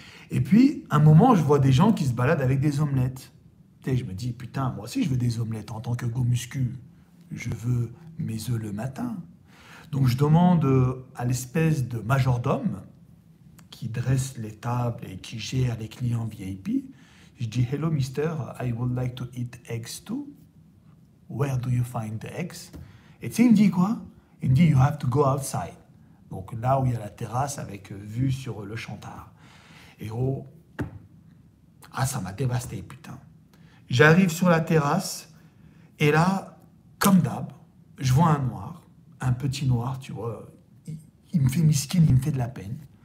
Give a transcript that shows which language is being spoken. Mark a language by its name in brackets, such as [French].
[French] Et puis, à un moment, je vois des gens qui se baladent avec des omelettes. Tu sais, je me dis, putain, moi aussi, je veux des omelettes en tant que go muscu. Je veux mes œufs le matin. Donc, je demande à l'espèce de majordome qui dresse les tables et qui gère les clients VIP. Je dis, [English] hello, mister, I would like to eat eggs too. Where do you find the eggs? [French] Et tu sais, il me dit quoi? Il me dit, [English] you have to go outside. [French] Donc, là où il y a la terrasse avec vue sur le chantard. Et oh, ah, ça m'a dévasté, putain. J'arrive sur la terrasse et là, comme d'hab, je vois un noir, un petit noir, tu vois, il me fait miskine, il me fait de la peine.